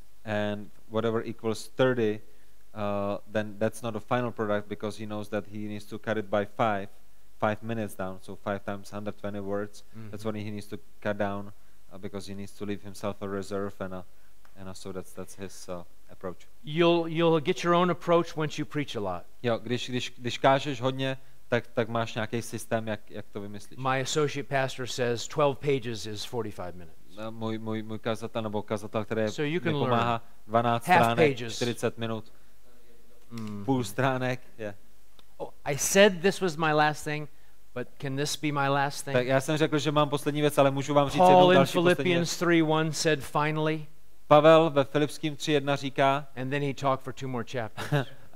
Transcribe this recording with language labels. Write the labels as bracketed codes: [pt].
[en] And whatever equals 30, then that's not a final product because he knows that he needs to cut it by five minutes down. So 5 times 120 words, that's what he needs to cut down because he needs to leave himself a reserve and so that's his approach. You'll get your own approach once you preach a lot. [cs] Jo, když kážeš hodně, tak máš nějaký systém, jak to vymyslíš. [en] My associate pastor says 12 pages is 45 minutes. [cs] Můj kazatel nebo kazatel, který [en] so [cs] mi pomáhá, 12 [en] half [cs] stránek, [en] pages. [cs] 40 minut. Půl stránek, yeah. [en] Oh, I said this was my last thing, but can this be my last thing? [cs] Tak já jsem řekl, že mám poslední věc, ale můžu vám říct jednu další poslední. [en] Philippians 3:1 said finally. [cs] Pavel ve Filipským 3:1 říká. [en] And then he talked for two more chapters.